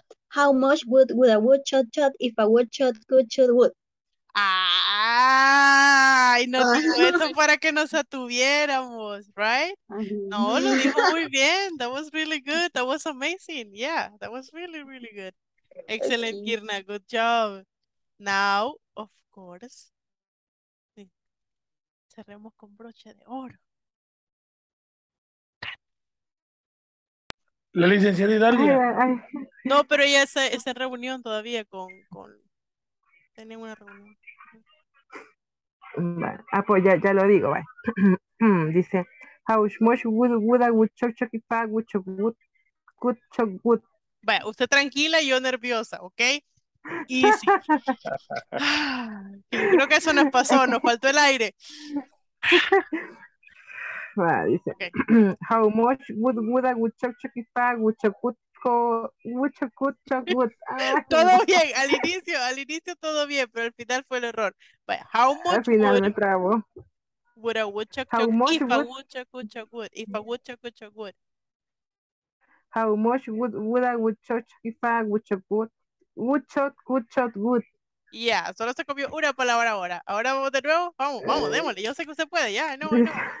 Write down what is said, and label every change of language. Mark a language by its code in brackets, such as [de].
[en] How much wood would a woodchuck chuck if a woodchuck could chuck wood? [es] Ay, no dijo eso para que nos atuviéramos, right? [en] No, lo dijo muy bien. That was really good. That was amazing. Yeah, that was really, really good. Excellent, okay. Kirna, good job. [es] Now, of course, sí. Cerremos con broche de oro. La licenciada Hidalgo. No, pero ella está en reunión todavía con... Tiene una reunión. Bueno, ah, pues ya lo digo, vale. [en] Dice, how much wood I would chuck chuck if I would chuck wood, could chuck wood. [es] Bueno, usted tranquila y yo nerviosa, ¿ok? Easy. Creo que eso nos pasó, nos faltó el aire. Bueno, dice, okay. [en] How much wood I would chuck chuck if I would chuck wood. [es] Todo bien, al inicio todo bien, pero al final fue el error. [en] But how much [es] al final [en] would, [es] me trabo. [en] Would a woodchuck chuck if a woodchuck could chuck wood? How much would a woodchuck if a woodchuck would? [es] Yeah, solo se copió una palabra ahora. Ahora vamos de nuevo. Vamos, vamos, démosle. Yo sé que usted puede, ya. No, no.